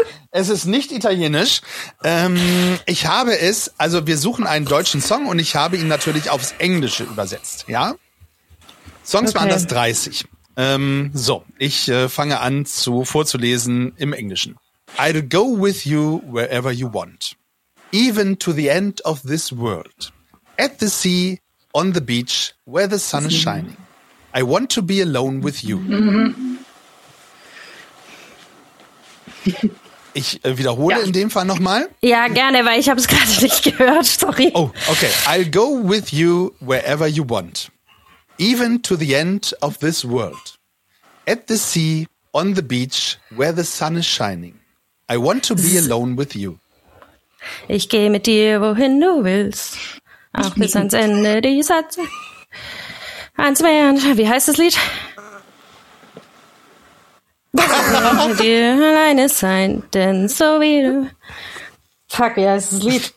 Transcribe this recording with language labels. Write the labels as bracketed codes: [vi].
[de] Es ist nicht italienisch. Ich habe es, also wir suchen einen deutschen Song und ich habe ihn natürlich aufs Englische übersetzt, ja? Songs mal anders 30. Ich fange an vorzulesen im Englischen. [en] I'll go with you wherever you want. Even to the end of this world. At the sea, on the beach, where the sun is shining. I want to be alone with you. [de] Ich wiederhole in dem Fall nochmal. Ja, gerne, weil ich habe es gerade nicht gehört. [en] Sorry. Oh, okay. I'll go with you wherever you want. Even to the end of this world. At the sea, on the beach, where the sun is shining. I want to be alone with you. [de] Ich gehe mit dir, wohin du willst. Auch bis ans Ende dieser Zeit. Eins mehr. Wie heißt das Lied? Ich will mit dir alleine sein, denn so wie du. Fuck, wie heißt das Lied?